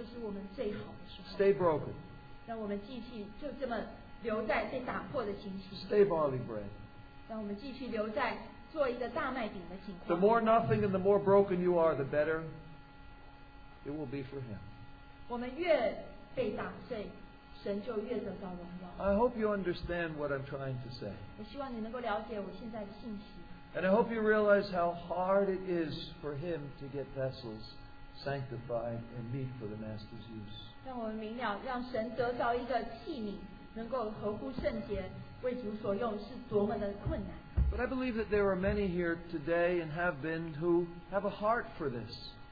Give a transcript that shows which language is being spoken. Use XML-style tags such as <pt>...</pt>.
<zh>但是你知道吗？当我们被打破的时候，就是我们最好的时候。</zh> <en>Stay broken.</en> <zh>让我们继续就这么留在被打破的情形。</zh> <en>Stay barley bread.</en> <zh>让我们继续留在做一个大麦饼的情况。</zh> <en>The more nothing and the more broken you are, the better it will be for Him.</en> <zh>我们越被打碎，神就越得到荣耀。</zh> <en>I hope you understand what I'm trying to say.</en> <zh>我希望你能够了解我现在的信息。</zh> <en>And I hope you realize how hard it is for him to get vessels sanctified and meet for the Master's use. But I believe that there are many here today and have been who have a heart for this.</en>